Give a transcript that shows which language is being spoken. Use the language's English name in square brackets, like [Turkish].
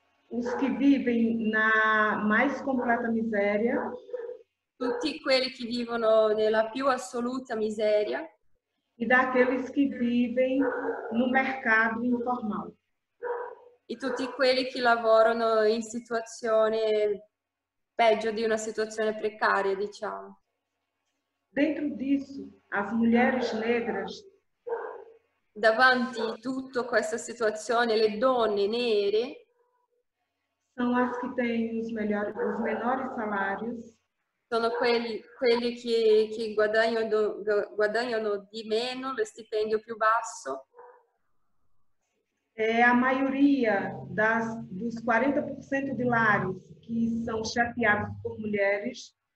[Portuguese] Os que vivem na mais completa miséria. [Italian] Tutti quelli che vivono nella più assoluta miseria. [Portuguese] E daqueles que vivem no mercado informal. [Italian] E tutti quelli che lavorano in situazione peggio di una situazione precaria, diciamo. [Portuguese] Dentro disso, as mulheres negras. [Italian] Davanti a tutta questa situazione, le donne nere. [Portuguese] São as que têm os menores salários. [Italian] Sono quelli che guadagnano di meno, lo stipendio più basso. [Portuguese] É a maioria dos 40% de lares que são chefiados por mulheres.